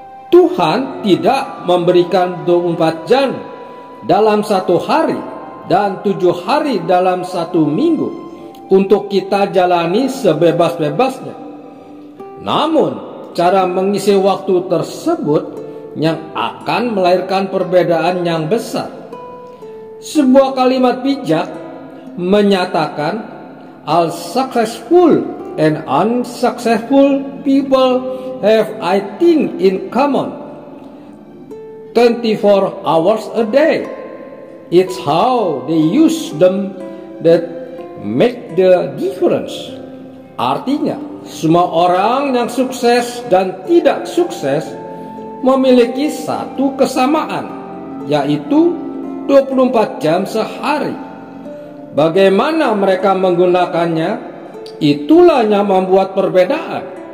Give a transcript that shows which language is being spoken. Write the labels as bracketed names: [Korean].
[Indonesian] Tuhan tidak memberikan 24 jam dalam satu hari dan 7 hari dalam satu minggu untuk kita jalani sebebas-bebasnya. Namun, cara mengisi waktu tersebut yang akan melahirkan perbedaan yang besar. [English] Sebuah kalimat bijak menyatakan, "All successful and unsuccessful people have I think in common. 24 hours a day. It's how they use them that make the difference." [Indonesian] Artinya, semua orang yang sukses dan tidak sukses memiliki satu kesamaan, yaitu 24 jam sehari. Bagaimana mereka menggunakannya, itulah yang membuat perbedaan.